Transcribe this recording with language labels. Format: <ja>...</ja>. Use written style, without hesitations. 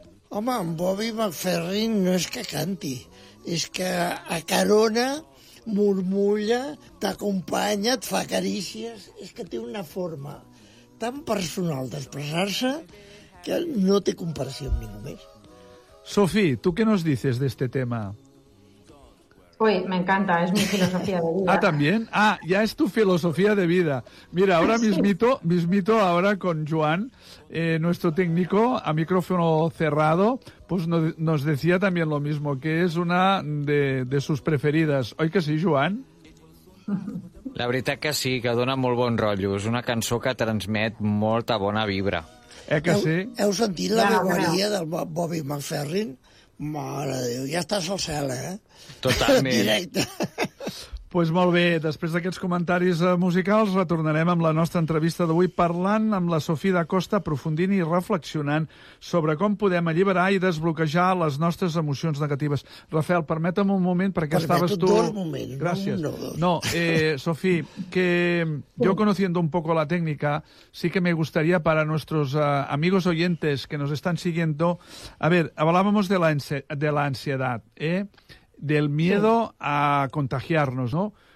<ca>Home, en Bobby McFerrin no és que canti, és que acarona, murmulla, t'acompanya, et fa carícies, és que té una forma tan personal d'expressar-se que no té comparació amb ningú més.</ca> <es>Sofí, ¿tú qué nos dices de este tema? Uy, me encanta, es mi filosofía de vida. Ah, ¿también? Ah, ya es tu filosofía de vida. Mira, ahora mismito ahora con Joan, nuestro técnico, a micrófono cerrado, pues nos decía también lo mismo, que es una de sus preferidas.</es> <ca>¿Oy que sí, Joan? La veritat que sí, que dona molt bon rotllo. És una cançó que transmet molta bona vibra. ¿Eh que sí? Heu sentit la vibraria del Bobby McFerrin? Mare de Déu, ja estàs al cel, eh? Totalment. Directe. Pues molt bé, després d'aquests comentaris musicals, retornarem amb la nostra entrevista d'avui parlant amb la Sofia da Costa, aprofundint i reflexionant sobre com podem alliberar i desbloquejar les nostres emocions negatives. Rafael, permeta'm un moment, perquè estaves tu... Permeto dos moments. Gràcies. No,</ca> <es>Sofia, que yo conociendo un poco la técnica, sí que me gustaría para nuestros amigos oyentes que nos están siguiendo... A ver, hablábamos de la ansiedad, ¿eh? Del miedo a contagiarnos, ¿no?</es>